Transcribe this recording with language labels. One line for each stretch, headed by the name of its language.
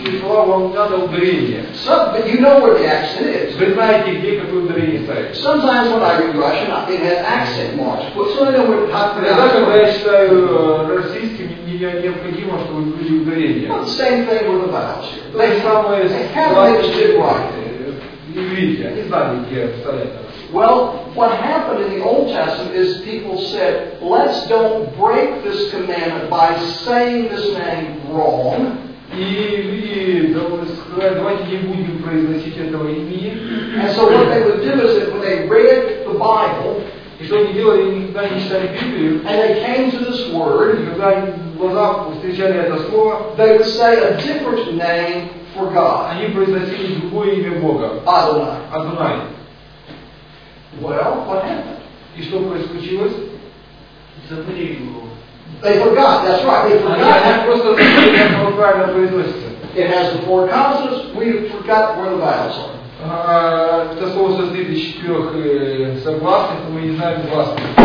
English: Sometimes, but you know where the accent is. Sometimes when I read Russian, it has accent marks. But so I know where to put it.
Russian: Необходимо, чтобы были ударения.
English: Well, the same thing with the vowels. They have understood right. Well, what happened in the Old Testament is people said, let's don't break this commandment by saying this name wrong. And so what they would do is that when they read the Bible, and they came to this word, they would say a different name for God. Adonai. Well, what happened? They forgot, that's right, they forgot. It has the four consonants, we forgot where the vowels are.
Russian: Это слово состоит из четырех согласных, мы не знаем гласных.